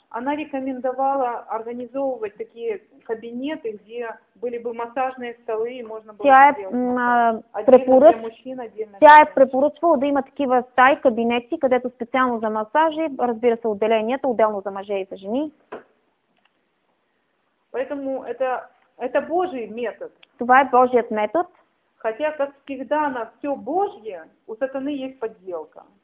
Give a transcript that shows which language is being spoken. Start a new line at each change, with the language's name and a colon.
Russian: Она рекомендовала организовывать такие кабинеты, где были бы массажные столы, и можно было бы сделать мужчин отдельно.
Bulgarian: Тя е препоръчвала да има такива стаи, кабинети, където специално за массажи, разбира се, отделението, отделно за мъже и за жени.
Russian: Поэтому это Божий метод.
Bulgarian: Това е Божият метод.
Russian: Хотя, как всегда, на все Божье у сатаны есть подделка.